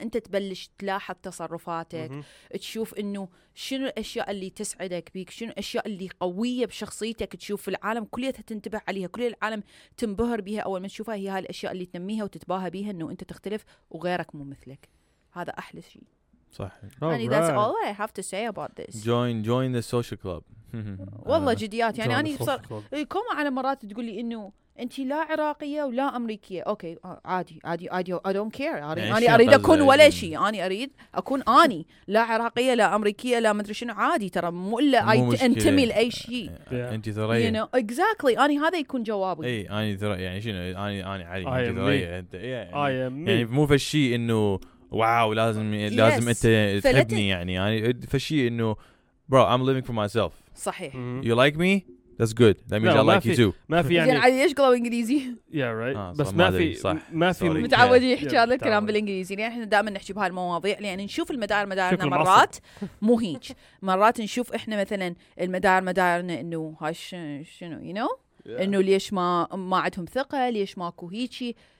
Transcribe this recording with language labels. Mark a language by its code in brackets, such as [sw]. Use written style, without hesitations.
[ar] أنت تبلش تلاحظ تصرفاتك. تشوف إنه شنو الأشياء اللي تسعدك بيك، شنو الأشياء اللي قوية بشخصيتك، تشوف العالم كليتها تنتبه عليها، كل العالم تنبهر بها أول ما تشوفها، هي هاي الأشياء اللي تنميها وتتباهى بيها إنه أنت تختلف وغيرك مو مثلك. هذا أحلى شيء. صح. يعني [en] that's all I have to say about this. Join the social club. [ar] والله جديات يعني أنا صار كوما على مرات تقول لي إنه أنت لا عراقية ولا أمريكية. أوكي عادي عادي عادي. [en] I don't care. [ar] أنا أريد أكون ولا شيء. أنا أريد أكون أني لا عراقية لا أمريكية لا مدري شنو. عادي ترى مو إلا أنتمي لأي شيء. أنت ثرية. [en] You know exactly. [ar] أنا هذا يكون جوابي. إيه أنا ثرية يعني شنو. أنا علي. أنت ثرية. أنت إيه. يعني مو في الشيء إنه واو لازم أنت تحبني يعني. يعني في الشيء إنه [en] bro I'm living for myself. [ar] صحيح. [en] You like me. That's good. That means I like you too. [ar] ما في يعني. زين عليش قلوا إنجليزي. [en] Yeah right. [ar] بس ما في. ما في. متعودين يحكي هذا الكلام بالإنجليزي. يعني إحنا دائما نحكي بهالمواضيع لأن نشوف مدارنا مرات مو هيج. مرات نشوف إحنا مثلاً مدارنا إنه هاش شنو [en] you know [ar] إنه ليش ما عندهم ثقة ليش ماكو هيجي.